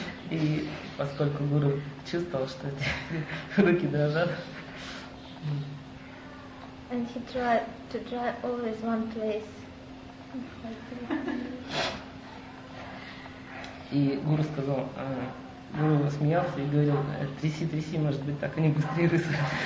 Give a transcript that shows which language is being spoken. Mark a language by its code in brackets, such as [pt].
[ru] И поскольку Гуру чувствовал, что руки дрожат. [en] And he tried to dry always one place. [ru] И Гуру сказал, Гуру смеялся и говорил, тряси, тряси, может быть, так они быстрее рысают.